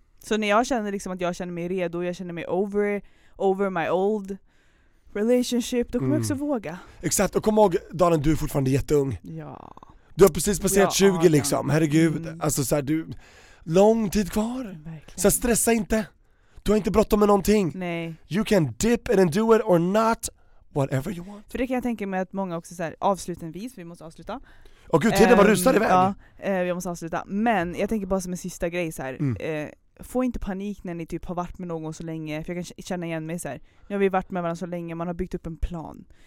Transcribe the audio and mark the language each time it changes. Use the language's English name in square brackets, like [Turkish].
[Swedish] Så när jag känner liksom att jag känner mig redo, jag känner mig [English] over my old relationship, [Swedish] då kommer jag också våga. Exakt, och kom ihåg, Dalen, du är fortfarande jätteung. Ja. Du har precis passerat 20 liksom, herregud. Mm. Alltså så här, du, lång tid kvar. Verkligen. Så stressa inte. Du har inte bråttom med någonting. Nej. [English] You can dip and do it or not. Whatever you want. [Swedish] För det kan jag tänka mig att många också säger avslutningsvis, vi måste avsluta. Åh gud, tiden bara rusar iväg. Ja, vi måste avsluta. Men jag tänker bara som en sista grej så här. Få inte panik när ni typ har varit med någon så länge. För jag kan känna igen mig så här. Nu har vi varit med varandra så länge, man har byggt upp en plan.